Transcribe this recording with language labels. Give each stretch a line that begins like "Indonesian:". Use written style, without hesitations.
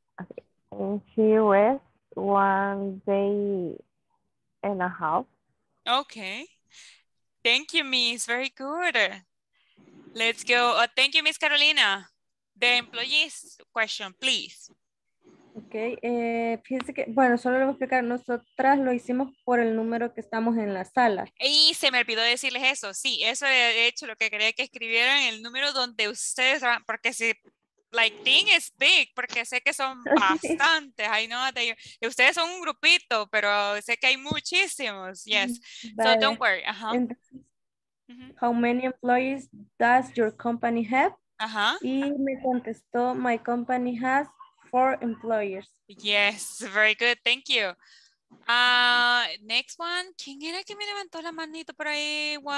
English: Okay. She rests 1.5 days. Okay. Thank you, Miss. Very good. Let's go. Thank you, Miss Carolina. The employees question, please.
Spanish: Okay. Fíjense que, bueno, solo lo voy a explicar. Nosotras lo hicimos por el número que estamos en la sala. Y se me olvidó decirles eso. Sí, eso de hecho lo que quería que escribieran, el número donde ustedes van, porque si,
English: like, thing is big,
Spanish: porque sé que son bastantes.
English: I know that
Spanish: ustedes son un grupito, pero sé que hay muchísimos.
English: Yes. Vale. So don't worry. Uh-huh. Entonces, how many employees does your company have? Uh-huh.
Spanish: Y me contestó,
English: my company has 4 employers. Yes, very good, thank you. Next one,
Spanish: ¿quién era que me levantó la manito por ahí?